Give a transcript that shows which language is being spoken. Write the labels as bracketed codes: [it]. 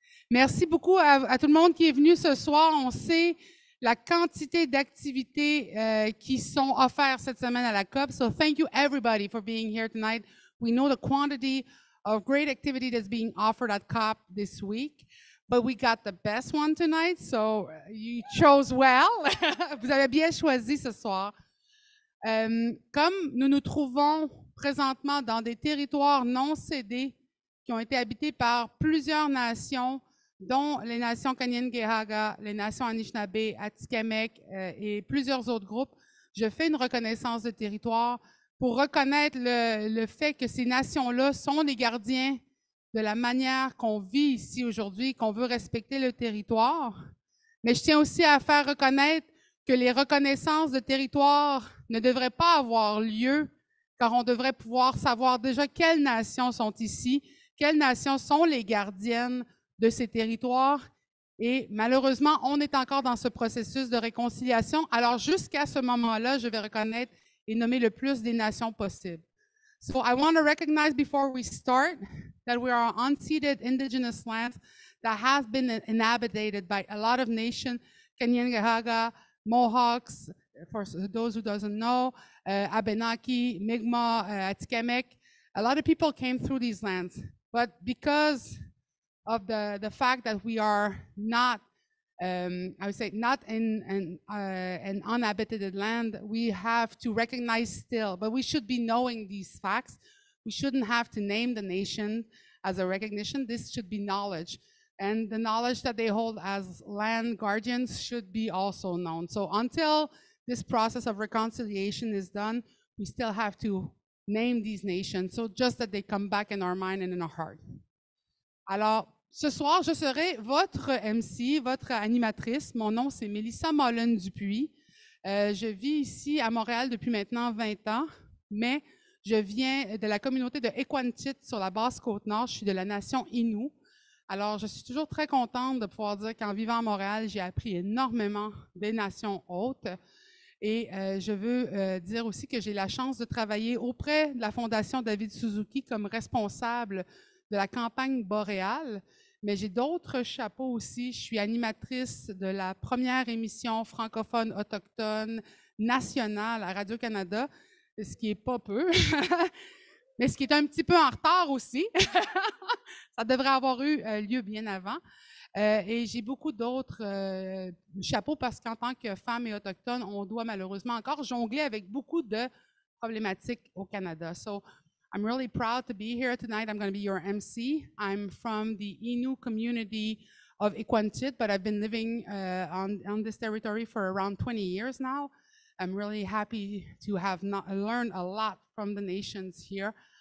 [fr] Merci beaucoup à tout le monde qui est venu ce soir. On sait la quantité d'activités qui sont offertes cette semaine à la COP. [en] So thank you everybody for being here tonight. We know the quantity of great activity that's being offered at COP this week, but we got the best one tonight. So you chose well. [fr] Vous avez bien choisi ce soir. Comme nous nous trouvons présentement dans des territoires non cédés qui ont été habités par plusieurs nations, dont les nations Kanien-Gehaga, les nations Anishinaabe, Atikamekw et plusieurs autres groupes, je fais une reconnaissance de territoire pour reconnaître le fait que ces nations-là sont les gardiens de la manière qu'on vit ici aujourd'hui, qu'on veut respecter le territoire. Mais je tiens aussi à faire reconnaître que les reconnaissances de territoire ne devraient pas avoir lieu, car on devrait pouvoir savoir déjà quelles nations sont ici, quelles nations sont les gardiennes de ces territoires. Et malheureusement, on est encore dans ce processus de réconciliation. Alors, jusqu'à ce moment-là, je vais reconnaître et nommer le plus des nations possibles. [en] So, I want to recognize before we start that we are unceded indigenous lands that have been inhabited by a lot of nations, Kanien-Gehaga, Mohawks, for those who doesn't know, Abenaki, Mi'kmaq, Atikamekw. A lot of people came through these lands, but because of the fact that we are not, I would say, not in an uninhabited land, we have to recognize still, but we should be knowing these facts. We shouldn't have to name the nation as a recognition. This should be knowledge. And the knowledge that they hold as land guardians should be also known. So until this process of reconciliation is done, we still have to name these nations, so just that they come back in our mind and in our heart. [fr] Alors, ce soir, je serai votre MC, votre animatrice. Mon nom, c'est Mélissa Mollen-Dupuis. Je vis ici à Montréal depuis maintenant 20 ans, mais je viens de la communauté de Ekwantit sur la Basse-Côte-Nord. Je suis de la nation Innu. Alors, je suis toujours très contente de pouvoir dire qu'en vivant à Montréal, j'ai appris énormément des nations hautes. Et je veux dire aussi que j'ai la chance de travailler auprès de la Fondation David Suzuki comme responsable de la campagne boréale, mais j'ai d'autres chapeaux aussi. Je suis animatrice de la première émission francophone autochtone nationale à Radio-Canada, ce qui est pas peu, mais ce qui est un petit peu en retard aussi. Ça devrait avoir eu lieu bien avant. Et j'ai beaucoup d'autres chapeaux parce qu'en tant que femme et autochtone, on doit malheureusement encore jongler avec beaucoup de problématiques au Canada. [en] So, I'm really proud to be here tonight. I'm going to be your MC. I'm from the Innu community of Ekwantit, but I've been living on this territory for around 20 years now. I'm really happy to have learned a lot from the nations here.